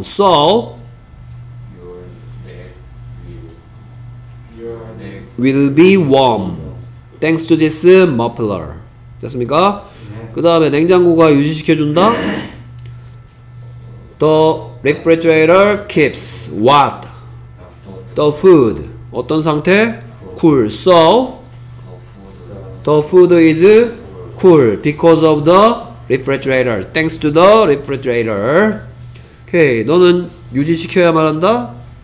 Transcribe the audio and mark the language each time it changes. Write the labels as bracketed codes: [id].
[en] So, will be warm thanks to this muffler. [ko] 됐습니까? 네. 그 다음에 냉장고가 유지시켜준다. [en] The refrigerator keeps what? The food. [ko] 어떤 상태? [en] Cool. So the food is cool because of the refrigerator. Thanks to the refrigerator. Okay. [ko] 너는 유지시켜야만 한다.